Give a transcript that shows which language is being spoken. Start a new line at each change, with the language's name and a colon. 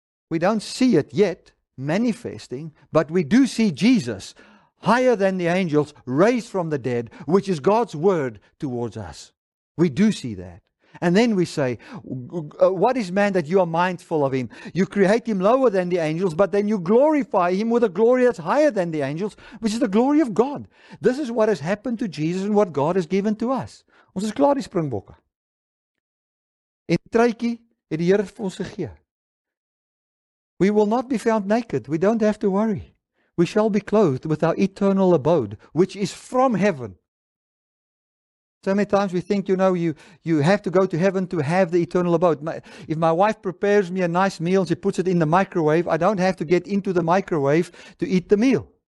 English: We don't see it yet manifesting, but we do see Jesus higher than the angels, raised from the dead, which is God's word towards us. We do see that. And then we say, what is man that you are mindful of him? You create him lower than the angels, but then you glorify him with a glory that's higher than the angels, which is the glory of God. This is what has happened to Jesus and what God has given to us.
Afrikaans: Ons is klaar die springbokke. En truitjie het die Here vir ons gegee.
English: We will not be found naked. We don't have to worry. We shall be clothed with our eternal abode, which is from heaven. So many times we think, you know, you have to go to heaven to have the eternal abode. If my wife prepares me a nice meal, she puts it in the microwave, I don't have to get into the microwave to eat the meal.